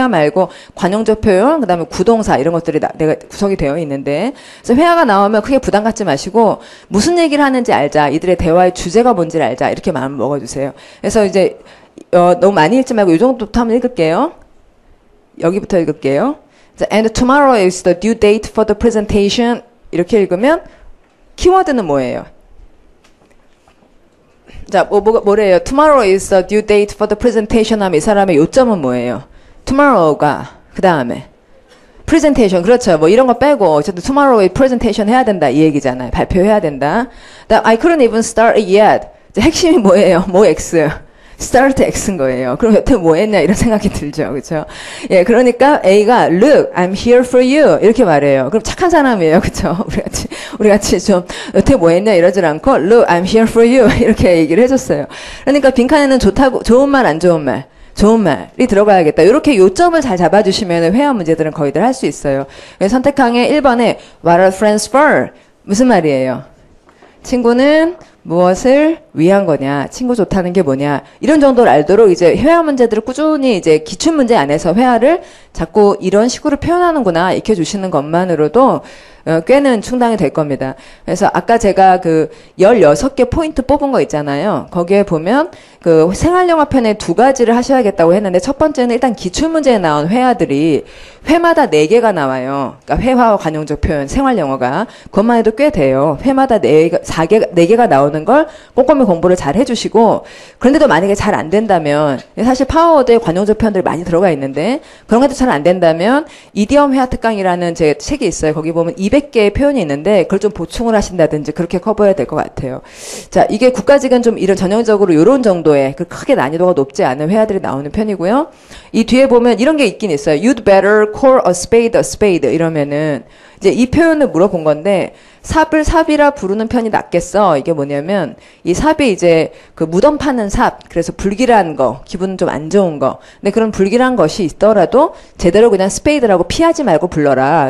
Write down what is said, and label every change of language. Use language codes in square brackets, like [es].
[ko] 회화 말고 관용적 표현, 그다음에 구동사 이런 것들이 내가 구성이 되어 있는데, 그래서 회화가 나오면 크게 부담 갖지 마시고 무슨 얘기를 하는지 알자, 이들의 대화의 주제가 뭔지를 알자, 이렇게 마음 먹어주세요. 그래서 이제 너무 많이 읽지 말고 이 정도부터 한번 읽을게요. 여기부터 읽을게요. [en] And tomorrow is the due date for the presentation. [ko] 이렇게 읽으면 키워드는 뭐예요? 자, 뭐래요? [en] Tomorrow is the due date for the presentation [ko] 하면 이 사람의 요점은 뭐예요? Tomorrow가, 그 다음에. Presentation, 그렇죠. 뭐 이런 거 빼고, 어쨌든 tomorrow에 presentation 해야 된다. 이 얘기잖아요. 발표해야 된다. [en] I couldn't even start it yet. [ko] 핵심이 뭐예요? 뭐 X. Start X인 거예요. 그럼 여태 뭐 했냐? 이런 생각이 들죠. 그렇죠? 예, 그러니까 A가 [en] Look, I'm here for you. [ko] 이렇게 말해요. 그럼 착한 사람이에요. 그렇죠? 우리 같이 좀 여태 뭐 했냐? 이러질 않고 [en] Look, I'm here for you. [ko] 이렇게 얘기를 해줬어요. 그러니까 빈칸에는 좋다고, 좋은 말, 안 좋은 말. 좋은 말이 들어가야겠다. 이렇게 요점을 잘 잡아주시면 회화 문제들은 거의들 할수 있어요. 선택항에 1번에 [en] What are friends for? [ko] 무슨 말이에요? 친구는 무엇을 위한 거냐, 친구 좋다는 게 뭐냐, 이런 정도를 알도록 이제 회화 문제들을 꾸준히 이제 기출 문제 안에서 회화를 자꾸 이런 식으로 표현하는구나 익혀 주시는 것만으로도 꽤는 충당이 될 겁니다. 그래서 아까 제가 그 16개 포인트 뽑은 거 있잖아요. 거기에 보면 그 생활 영어 편에 두 가지를 하셔야겠다고 했는데, 첫 번째는 일단 기출 문제에 나온 회화들이 회마다 4개가 나와요. 그러니까 회화와 관용적 표현, 생활 영어가 그것만 해도 꽤 돼요. 회마다 4개가 나오는 걸 꼼꼼히 공부를 잘 해주시고, 그런데도 만약에 잘안 된다면, 사실 파워워드에 관용적 표현들이 많이 들어가 있는데, 그런 것도 잘안 된다면 이디엄 회화 특강이라는 제 책이 있어요. 거기 보면 200개의 표현이 있는데 그걸 좀 보충을 하신다든지 그렇게 커버해야 될것 같아요. 자, 이게 국가직은 좀 이런 전형적으로 이런 정도의 그 크게 난이도가 높지 않은 회화들이 나오는 편이고요. 이 뒤에 보면 이런 게 있긴 있어요. [en] You'd better call a spade a spade. [ko] 이러면은 이제 이 표현을 물어본 건데, 삽을 삽이라 부르는 편이 낫겠어. 이게 뭐냐면, 이 삽이 이제 그 무덤 파는 삽, 그래서 불길한 거, 기분 좀안 좋은 거. 근데 그런 불길한 것이 있더라도 제대로 그냥 스페이드라고 피하지 말고 불러라.